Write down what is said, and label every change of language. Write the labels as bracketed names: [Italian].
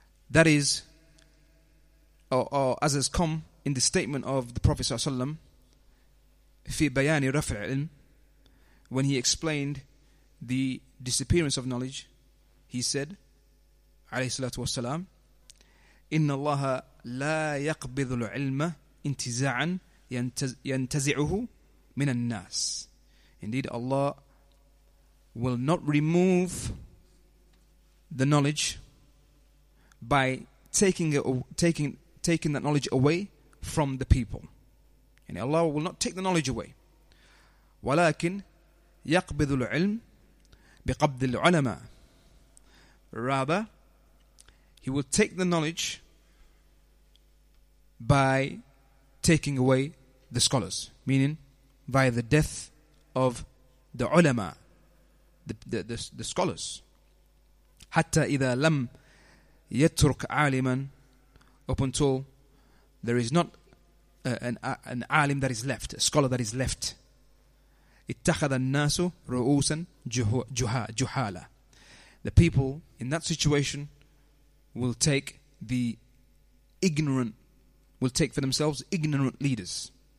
[English] that is, or as has come in the statement of the Prophet ﷺ, [Arabic] في بيان رفع العلم, [English] when he explained the disappearance of knowledge, he said, [Arabic] عليه الصلاة والسلام, إن الله لا يقبض العلم انتزاعا ينتزعه من الناس. [English] Indeed, Allah will not remove the knowledge by taking that knowledge away from the people. And Allah will not take the knowledge away. [Arabic] ولكن يقبض العلم بقبض العلماء. [English] Rather, He will take the knowledge by taking away the scholars, meaning by the death of the ulama, the scholars. [Arabic] Hatta إِذَا لَمْ يَتْرُكْ عَالِمًا. [English] Up until there is not an alim that is left, a scholar that is left. [Arabic] اتَّخَذَ النَّاسُ رُؤُوسًا جُهَالًا. [English] The people in that situation will take the ignorant, will take for themselves ignorant leaders.